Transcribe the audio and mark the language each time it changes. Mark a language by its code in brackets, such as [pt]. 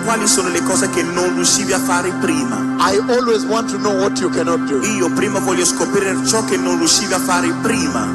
[it] Quali sono le cose che non riuscivi a fare prima? [en] I always want to know what you cannot do. [it] Io prima voglio scoprire ciò che non riuscivi a fare prima.